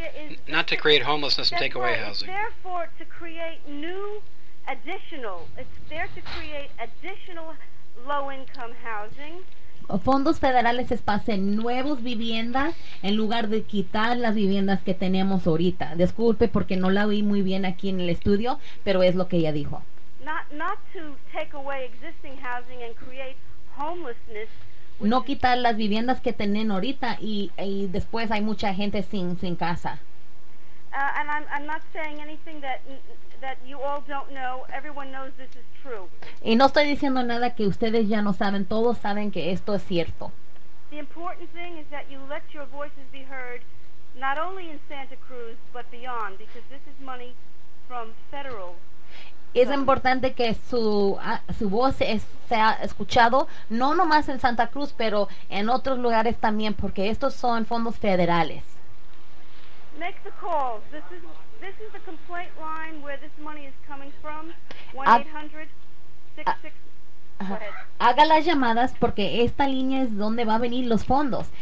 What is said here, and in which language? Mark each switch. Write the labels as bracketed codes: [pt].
[en] Federal funding is to provide new housing, not to create homelessness and take away housing. Therefore, to create new additional, it's there to create additional low-income housing. [es] Fondos federales es para hacer nuevos viviendas en lugar de quitar las viviendas que tenemos ahorita. Disculpe porque no la oí muy bien aquí en el estudio, pero es lo que ella dijo. [en] Not to take away existing housing and create homelessness. [es] No quitar las viviendas que tienen ahorita y después hay mucha gente sin casa. [en] And I'm not saying anything that you all don't know. Everyone knows this is true. [es] Y no estoy diciendo nada que ustedes ya no saben. Todos saben que esto es cierto. [en] The important thing is that you let your voices be heard not only in Santa Cruz but beyond, because this is money from federal. [es] Es importante que su voz sea escuchado, no nomás en Santa Cruz, pero en otros lugares también, porque estos son fondos federales. [en] Make the call. This is the complaint line where this money is coming from. 1-800-66. [es] Haga las llamadas porque esta línea es donde va a venir los fondos.